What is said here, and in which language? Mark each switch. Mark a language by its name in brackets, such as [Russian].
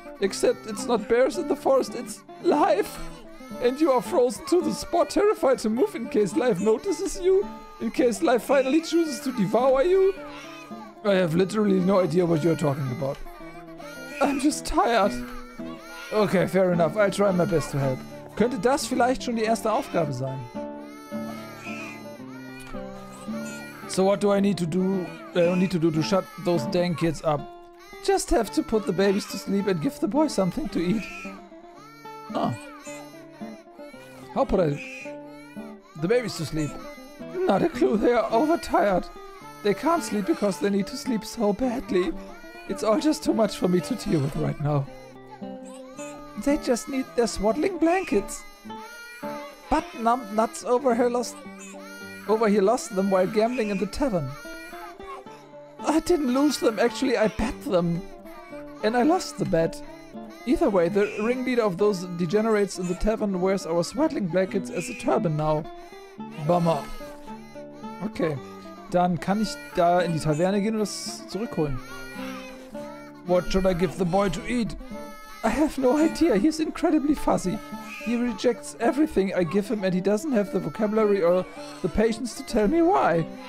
[English] Except it's not bears in the forest, it's life! And you are frozen to the spot, terrified to move in case life notices you. In case life finally chooses to devour you. I have literally no idea what you're talking about. I'm just tired. Okay, fair enough. I'll try my best to help. [German] Könnte das vielleicht schon die erste Aufgabe sein? [English] So what do I need to do? To shut those dang kids up? Just have to put the babies to sleep and give the boy something to eat. Oh. How put I... The babies to sleep. Not a clue, they are overtired. They can't sleep because they need to sleep so badly. It's all just too much for me to deal with right now. They just need their swaddling blankets. But numb nuts over here lost them while gambling in the tavern. I didn't lose them, actually I bet them. And I lost the bet. Either way, the ringleader of those degenerates in the tavern wears our swaddling blankets as a turban now. Bummer. [German] Okay, dann kann ich da in die Taverne gehen und das zurückholen. [English] What should I give the boy to eat? I have no idea. He's incredibly fussy. He rejects everything I give him and he doesn't have the vocabulary or the patience to tell me why.